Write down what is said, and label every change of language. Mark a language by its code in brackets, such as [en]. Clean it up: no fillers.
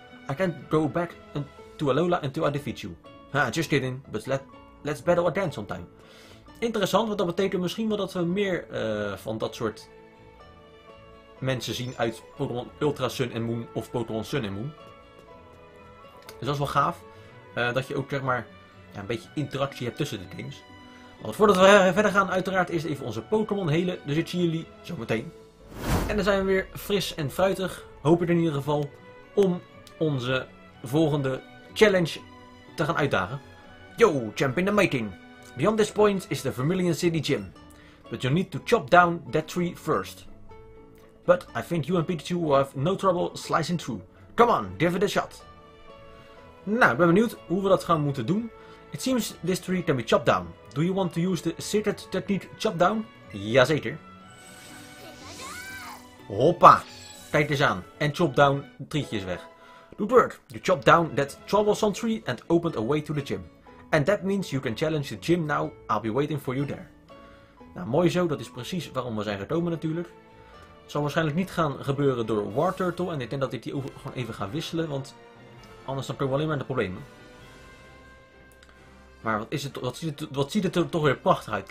[en] I can't go back to Alola until I defeat you. Ha, just kidding. But let's battle again sometime. [nl] Interessant, want dat betekent misschien wel dat we meer van dat soort mensen zien uit Pokémon Ultra Sun en Moon of Pokémon Sun en Moon. Dus dat is wel gaaf. Dat je ook zeg maar ja, een beetje interactie hebt tussen de games. Want voordat we verder gaan, uiteraard eerst even onze Pokémon helen. Dus ik zie jullie zo meteen. En dan zijn we weer fris en fruitig. Hoop ik in ieder geval om onze volgende challenge te gaan uitdagen. [en] Yo, champ in the making. Beyond this point is the Vermilion City Gym. But you need to chop down that tree first. But I think you and Pikachu will have no trouble slicing through. Come on, give it a shot. [nl] Nou, ik ben benieuwd hoe we dat gaan moeten doen. [en] It seems this tree can be chopped down. Do you want to use the secret technique chop down? [nl] Jazeker. Hoppa. Kijk eens aan. En chop down trietjes weg. [en] Good work. You chop down that troublesome tree and opened a way to the gym. And that means you can challenge the gym now. I'll be waiting for you there. [nl] Nou, mooi zo. Dat is precies waarom we zijn gekomen natuurlijk. Het zal waarschijnlijk niet gaan gebeuren door War Turtle. En ik denk dat ik die over gewoon even ga wisselen. Want anders dan komen we alleen maar in de problemen. Maar wat is het? Wat ziet het er toch weer prachtig uit.